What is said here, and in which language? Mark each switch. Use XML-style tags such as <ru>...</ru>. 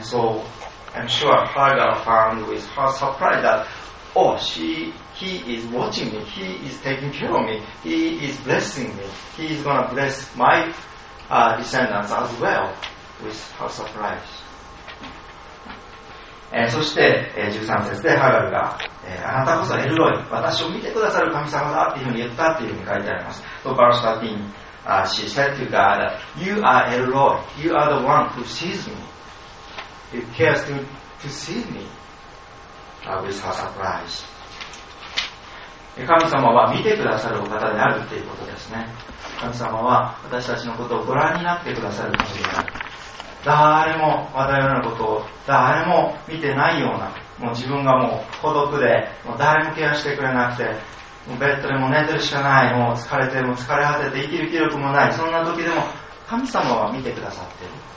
<en>So I'm sure Hagar found with her surprise that Oh, he is watching me, he is taking care of me, he is blessing me, he is going to bless my、descendants as wellWith her surprise.</en> <ja>そして、13節でハガルが、あなたこそエルロイ、私を見てくださる神様だというふうに言ったというふうに書いてあります。</ja> <en>So verse 13、She said to God, You are Elroy, You are the one who sees me, You cares to see me、With her surprise.</en> <ja>神様は見てくださるお方であるということですね。神様は私たちのことをご覧になってくださる神である。誰も話題のようなことを誰も見てないような、もう自分がもう孤独で、もう誰もケアしてくれなくて、もうベッドでも寝てるしかない、もう疲れて、もう疲れ果てて生きる気力もない、そんな時でも神様は見てくださってる。</ja>